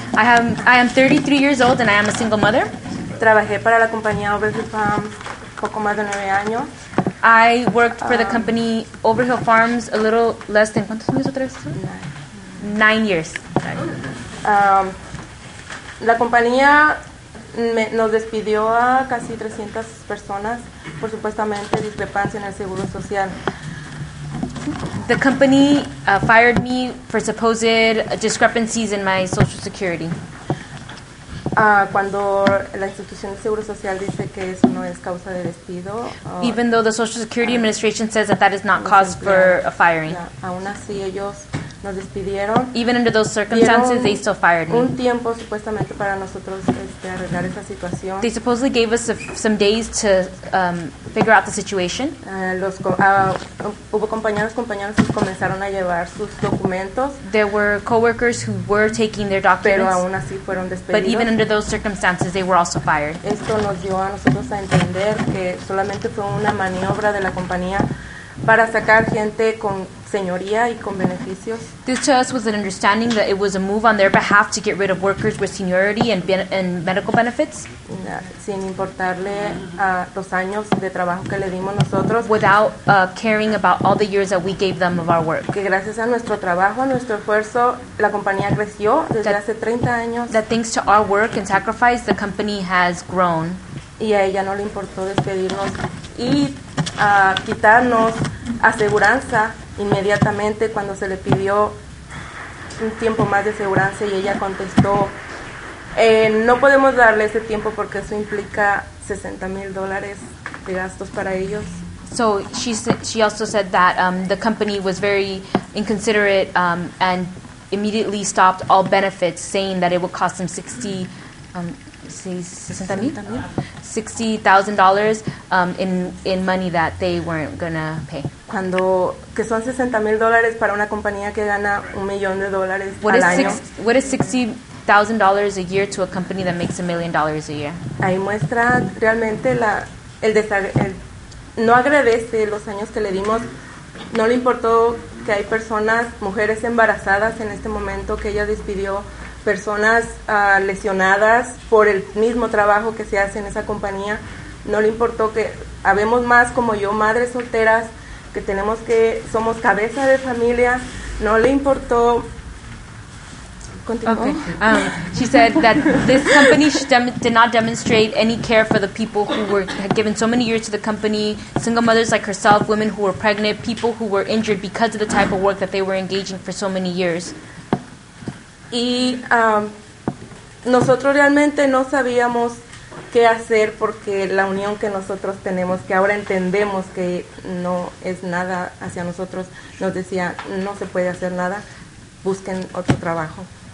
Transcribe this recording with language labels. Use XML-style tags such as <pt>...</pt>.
<en>I am 33 years old and I am a single mother.</en> <es>Trabajé para la compañía Overhill Farms poco más de 9 años.</es> <en>I worked for the company Overhill Farms a little less than,</en> <es>¿cuántos años otra vez?</es> <en>9 years.</en> <es>La compañía nos despidió a casi 300 personas por supuestamente discrepancia en el seguro social.</es> <en>The company fired me for supposed discrepancies in my social security.</en> <es>Cuando la institución de seguro social dice que eso no es causa de despido.</es> <en>Even though the Social Security Administration says that is not cause for a firing.</en> <es>Aún así ellos nos despidieron.</es> <en>Even under those circumstances, they still fired me.</en> <es>Un tiempo supuestamente para nosotros arreglar esa situación.</es> <en>They supposedly gave us some days to figure out the situation.</en> <es>Hubo compañeros que comenzaron a llevar sus documentos.</es> <en>There were coworkers who were taking their documents.</en> <es>Pero aún así fueron despedidos.</es> <en>But even under those circumstances, they were also fired.</en> <es>Esto nos dio a nosotros a entender que solamente fue una maniobra de la compañía para sacar gente con señoría y con beneficios.</es> <en>This to us was an understanding that it was a move on their behalf to get rid of workers with seniority and medical benefits.</en> <es>Sin importarle los años de trabajo que le dimos nosotros.</es> <en>Without caring about all the years that we gave them of our work.</en> <es>Que gracias a nuestro trabajo, a nuestro esfuerzo, la compañía creció desde hace 30 años.</es> <en>That thanks to our work and sacrifice, the company has grown.</en> <es>Y a ella no le importó despedirnos y quitarnos aseguranza inmediatamente cuando se le pidió un tiempo más de aseguranza y ella contestó no podemos darle ese tiempo porque eso implica $60,000 de gastos para ellos.</es> <en>So she also said that the company was very inconsiderate and immediately stopped all benefits, saying that it would cost them $60,000 in money that they weren't gonna pay.</en> <es>Cuando que son $60,000 para una compañía que gana $1,000,000 al año.</es> <en>What is $60,000 a year to a company that makes $1,000,000 a year?</en> <es>Ahí muestra realmente la el desagrado. No agradece los años que le dimos. No le importó que hay personas, mujeres embarazadas en este momento, que ella despidió personas lesionadas por el mismo trabajo que se hace en esa compañía. No le importó que habemos más como yo, madres solteras, que tenemos que, somos cabeza de familia. No le importó.</es> <en>Okay. She said that this company did not demonstrate any care for the people who were had given so many years to the company, single mothers like herself, women who were pregnant, people who were injured because of the type of work that they were engaging for so many years.</en> <es>Y nosotros realmente no sabíamos qué hacer porque la unión que nosotros tenemos, que ahora entendemos que no es nada hacia nosotros, nos decía, no se puede hacer nada, busquen otro trabajo.</es>